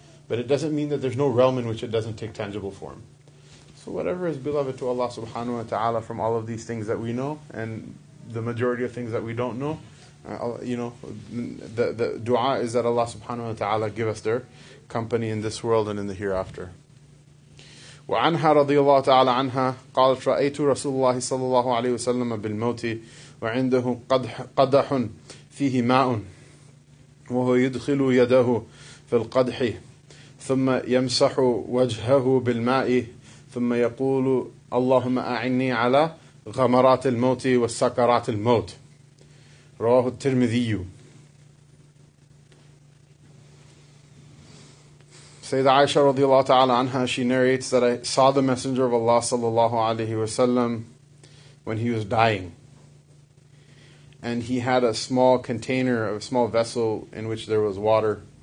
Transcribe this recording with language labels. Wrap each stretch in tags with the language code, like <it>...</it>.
<en>But it doesn't mean that there's no realm in which it doesn't take tangible form. So whatever is beloved to Allah Subhanahu Wa Taala from all of these things that we know, and the majority of things that we don't know, you know, the du'a is that Allah Subhanahu Wa Taala give us their company in this world and in the hereafter.</en> <ar>وعنها رضي الله تعالى عنها قالت رأيت رسول الله صلى الله عليه وسلم بالموت وعنده قدح فيه ماء وهو يدخل يده في القدح ثم يمسح وجهه بالماء ثم يقول اللهم أعني على غمرات الموت والسكرات الموت رواه الترمذي.</ar> <en>Sayyidah Aisha radiallahu ta'ala anha, she narrates that I saw the Messenger of Allah sallallahu alayhi wa sallam when he was dying. And he had a small container, a small vessel in which there was water.</en>